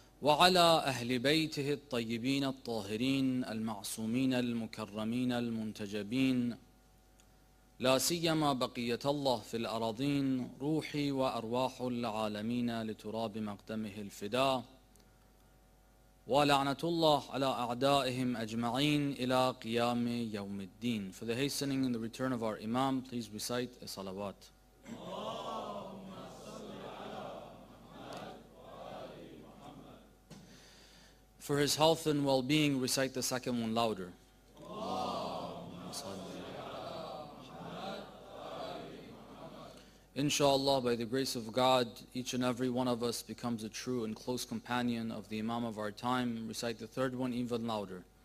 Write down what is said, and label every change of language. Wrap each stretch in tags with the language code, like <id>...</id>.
<ar>وعلى أهل بيته الطيبين الطاهرين المعصومين المكرمين المنتجبين، لا سيما بقية الله في الأراضين، روحي وأرواح العالمين لتراب مقدمه الفداء، ولعنة الله على أعدائهم أجمعين إلى قيام يوم الدين.</ar> <en>For the hastening and the return of our Imam, please recite a salawat.</en> <ar>اللهم صل على محمد وآل محمد.</ar> <en>For his health and well-being, recite the second one louder.</en> <ar>اللهم صل على محمد وآل محمد.</ar> <en>Inshallah, by the grace of God, each and every one of us becomes a true and close companion of the Imam of our time. Recite the third one even louder.</en>